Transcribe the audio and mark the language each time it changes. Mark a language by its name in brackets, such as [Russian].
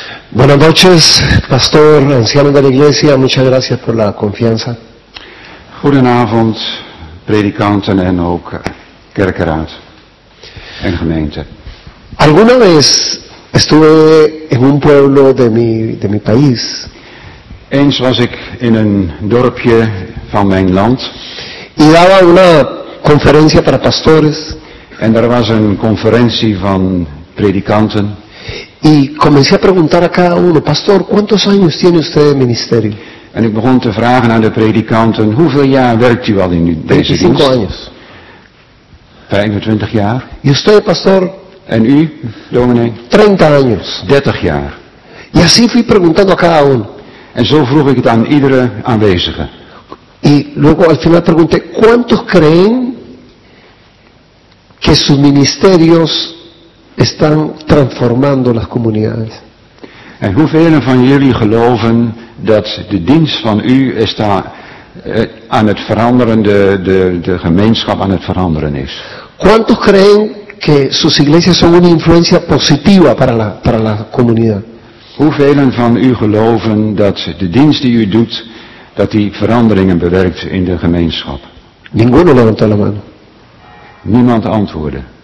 [Spanish] Buenas noches, pastor, anciano de la iglesia, muchas gracias por la confianza. [Dutch] Goedenavond, predikanten en ook kerkenraad en gemeente. [Spanish] Alguna vez estuve en un pueblo de mi país. [Dutch] Eens was ik in een dorpje van mijn land. [Spanish] Y daba una conferencia para pastores. [Dutch] En er was een conferentie van predikanten. [Spanish] Y comencé a preguntar a cada uno, pastor, ¿cuántos años tiene usted de ministerio? [Dutch] En ik begon te vragen aan de predikanten, hoeveel jaar werkt u al in deze [Spanish] 25 [Dutch] dienst? [Spanish] Años. [Dutch] 25 jaar. [Spanish] Y usted, pastor? [Dutch] En u, dominee? [Spanish] 30 años. [Dutch] 30 jaar. [Spanish] Y así fui preguntando a cada uno. [Dutch] En zo vroeg ik het aan iedere aanwezige. [Spanish] Y luego al final pregunté, ¿cuántos creen que sus ministerios están transformando las comunidades? [Dutch] En hoeveel van jullie geloven dat de dienst van u está aan het veranderen, de gemeenschap aan het veranderen is? [Spanish] ¿Cuántos creen que sus iglesias son una influencia positiva para la comunidad? [Dutch] Hoeveel van u geloven dat de dienst die u doet, dat die veranderingen bewerkt in de gemeenschap? [Spanish] Ninguno levantó la mano. [Dutch] Niemand antwoordde.